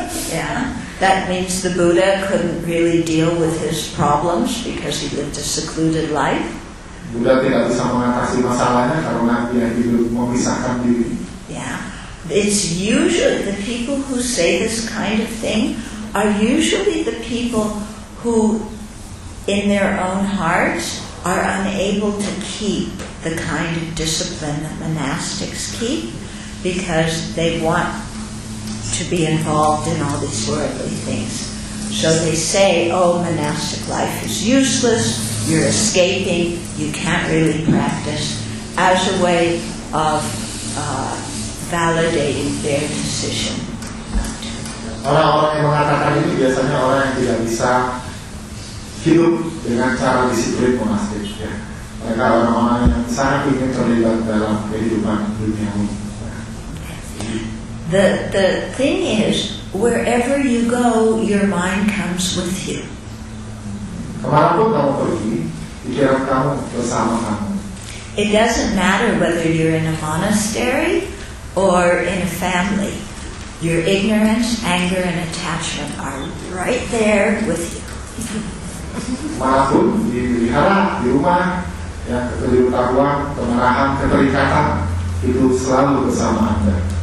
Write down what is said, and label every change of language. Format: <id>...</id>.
<en>Yeah, that means the Buddha couldn't really deal with his problems because he lived a secluded life.</en> <id>Buddha tidak bisa mengatasi masalahnya karena dia hidup memisahkan diri.</id> <en>Yeah, it's usually the people who say this kind of thing are usually the people who, in their own hearts, are unable to keep the kind of discipline that monastics keep because they want to be involved in all these worldly things. So they say, oh, monastic life is useless, you're escaping, you can't really practice, as a way of validating their decision.</en> <id>Orang-orang yang mengatakan ini biasanya orang yang tidak bisa hidup dengan cara disiplin monastik. Mereka orang-orang yang sangat ingin terlibat dalam kehidupan dunia ini.</id> <en>The thing is, wherever you go, your mind comes with you.</en> <id>Kemanapun kamu pergi, pikiran kamu bersama kamu.</id> <en>It doesn't matter whether you're in a monastery or in a family. Your ignorance, anger, and attachment are right there with you.</en> <id>Kemanapun di wihara, di rumah, ya ketidaktahuan, kemarahan, keterikatan itu selalu bersama Anda.</id>